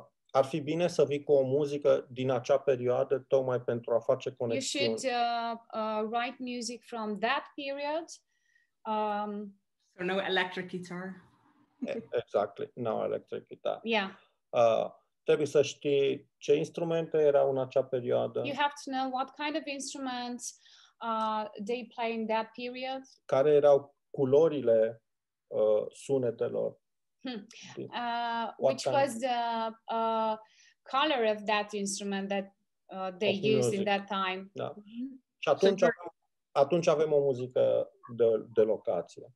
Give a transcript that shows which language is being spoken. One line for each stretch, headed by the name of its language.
Romanian: Ar fi bine să vii cu o muzică din acea perioadă tocmai pentru a face conexiuni.
English: You should write music from that period. So no electric guitar. Exactly, no electric guitar. Yeah.
Romanian: Trebuie să știi ce instrumente erau în acea perioadă.
English: You have to know what kind of instruments they play in that period.
Romanian: Care erau culorile sunetelor.
English: Which was the color of that instrument that they used in that time.
Romanian: Da. Și atunci, atunci avem o muzică de, de locație.